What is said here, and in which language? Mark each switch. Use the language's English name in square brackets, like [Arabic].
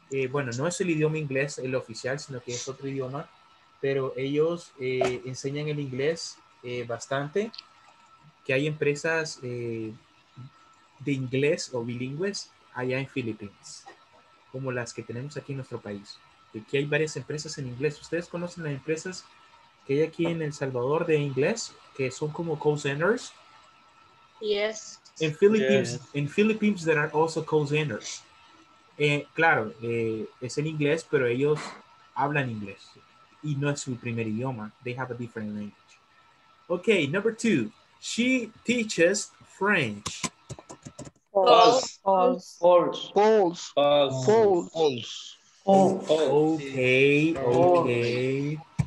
[Spanish] bueno, no es el idioma inglés el oficial, sino que es otro idioma, pero ellos enseñan el inglés bastante, que hay empresas de inglés o bilingües allá en Filipinas, como las que tenemos aquí en nuestro país. Aquí hay varias empresas en inglés. ¿Ustedes conocen las empresas que hay aquí en El Salvador de inglés, que son como call centers? [English] Yes. [Spanish] En Filipinas, [English] yes. In Philippines there are also call centers. [Spanish] Claro, es en inglés, pero ellos hablan inglés y no es su primer idioma. [English] They have a different language. Okay, number two. She teaches French. False. Okay.